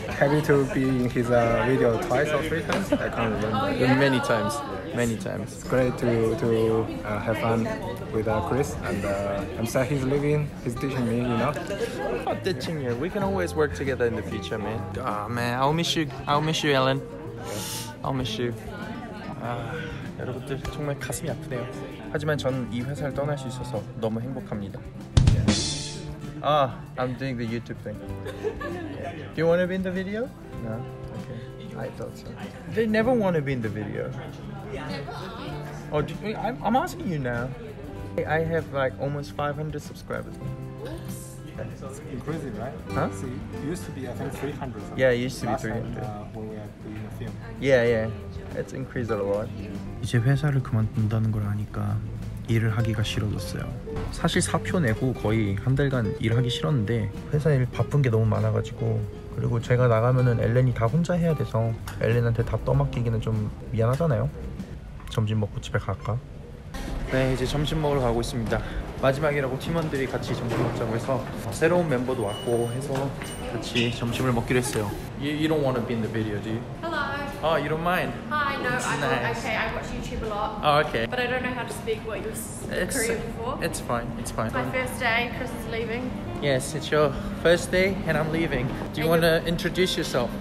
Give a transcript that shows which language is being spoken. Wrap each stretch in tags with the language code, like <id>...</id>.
<en>Happy to be in his video twice or three times. I can't remember. Oh, yeah. Many times. Many times. It's great to have fun with Chris, and I'm sad he's leaving. He's ditching me, you know. I'm not ditching you. We can always work together in the future, man. Ah, oh, man, I'll miss you. I'll miss you, Ellen. I'll miss you.</en> <ko>여러분들 정말 가슴이 아프네요. 하지만 저는 이 회사를 떠날 수 있어서 너무 행복합니다.</ko> <en>Ah, I'm doing the YouTube thing. Do you want to be in the video? No. Okay. I thought so. They never want to be in the video. Oh, I'm asking you now. I have like almost 500 subscribers. Oops. Yeah, it's increasing, right? Huh? See, it used to be, I think, 300. Yeah, it used to be 300. Last time, when we were doing the film. Yeah, yeah. It's increased a lot.</en> <ko>이제 회사를 그만둔다는 걸 아니까 일을 하기가 싫어졌어요. 사실 사표 내고 거의 한 달간 일하기 싫었는데 회사 일 바쁜 게 너무 많아가지고. 그리고 제가 나가면은 엘렌이 다 혼자 해야 돼서 엘렌한테 다 떠맡기기는 좀 미안하잖아요. 점심 먹고 집에 갈까? 네, 이제 점심 먹으러 가고 있습니다. 마지막이라고 팀원들이 같이 점심 먹자고 해서 새로운 멤버도 왔고 해서 같이 점심을 먹기로 했어요.</ko> <en>You don't want to be in the video, do you? Hello. Oh, you don't mind? Hi, no, I'm nice. Okay. I watch YouTube a lot. Oh, okay. But I don't know how to speak what you're Korean for. It's fine. My first day, Chris is leaving. Yes, it's your first day and I'm leaving. Do you want to introduce yourself?</en>